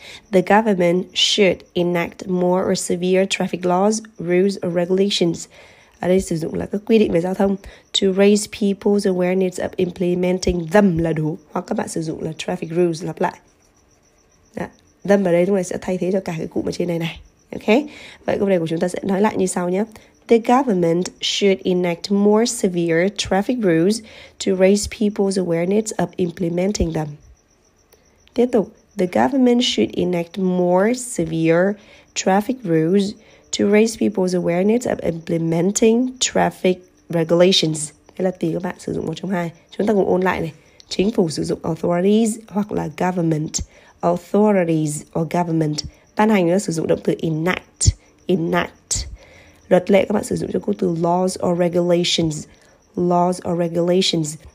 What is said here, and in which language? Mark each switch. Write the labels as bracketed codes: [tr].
[en] The government should enact more or severe traffic laws, rules or regulations. [vi] Ở đây sử dụng là các quy định về giao thông. [en] To raise people's awareness of implementing them [vi] là đủ. Hoặc các bạn sử dụng là traffic rules lặp lại. Đã. Them ở đây lúc này sẽ thay thế cho cả cái cụm ở trên này này. Okay. Vậy câu này của chúng ta sẽ nói lại như sau nhé. [en] The government should enact more severe traffic rules to raise people's awareness of implementing them. [vi] Tiếp tục, [en] the government should enact more severe traffic rules to raise people's awareness of implementing traffic regulations. [vi] Đây là tí các bạn sử dụng một trong hai. Chúng ta cùng ôn lại này. Chính phủ sử dụng authorities hoặc là government. [en] Authorities or government. [vi] Ban hành nữa sử dụng động từ enact. Enact. Luật lệ các bạn sử dụng cho cụ từ [en] laws or regulations. Laws or regulations.